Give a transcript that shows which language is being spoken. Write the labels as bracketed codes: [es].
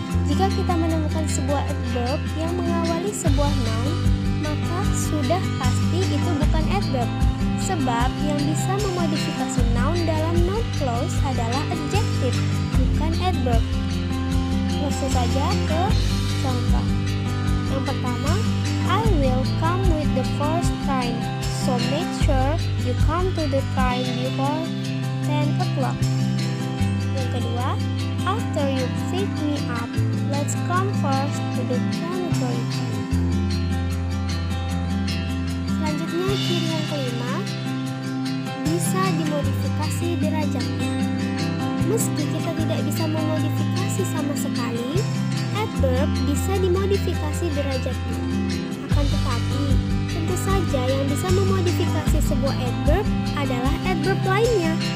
[id] Jika kita menemukan sebuah adverb yang mengawali sebuah noun, maka sudah pasti itu bukan adverb. Sebab yang bisa memodifikasi noun dalam noun clause adalah adjective, bukan adverb. Langsung saja ke contoh. Yang pertama, [en] I will come with the first train, so make sure you come to the train before 10 o'clock. [id] Yang kedua, [en] after you pick me up, let's come first to the cemetery. [id] Selanjutnya, ciri yang kelima, bisa dimodifikasi derajatnya. Meski kita tidak bisa memodifikasi sama sekali, adverb bisa dimodifikasi derajatnya. Akan tetapi, tentu saja yang bisa memodifikasi sebuah adverb adalah adverb lainnya.